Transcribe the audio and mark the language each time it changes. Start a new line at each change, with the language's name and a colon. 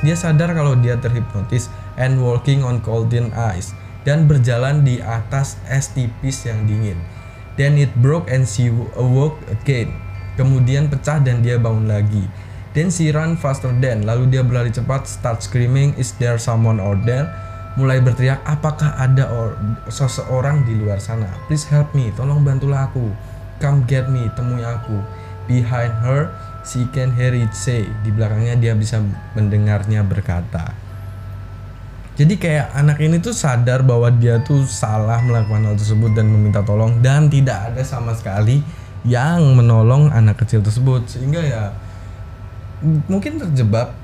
Indonesian: Dia sadar kalau dia terhipnotis
English: and walking on cold ice,
Indonesian: dan berjalan di atas es tipis yang dingin.
English: Then it broke and she awoke again.
Indonesian: Kemudian pecah dan dia bangun lagi.
English: Then she run faster than.
Indonesian: Lalu dia berlari cepat,
English: start screaming, is there someone out there?
Indonesian: Mulai berteriak, apakah ada seseorang di luar sana?
English: Please help me,
Indonesian: tolong bantulah aku.
English: Come get me,
Indonesian: temui aku.
English: Behind her, she can hear it say.
Indonesian: Di belakangnya dia bisa mendengarnya berkata. Jadi kayak anak ini tuh sadar bahwa dia tuh salah melakukan hal tersebut dan meminta tolong, dan tidak ada sama sekali yang menolong anak kecil tersebut, sehingga ya mungkin terjebak.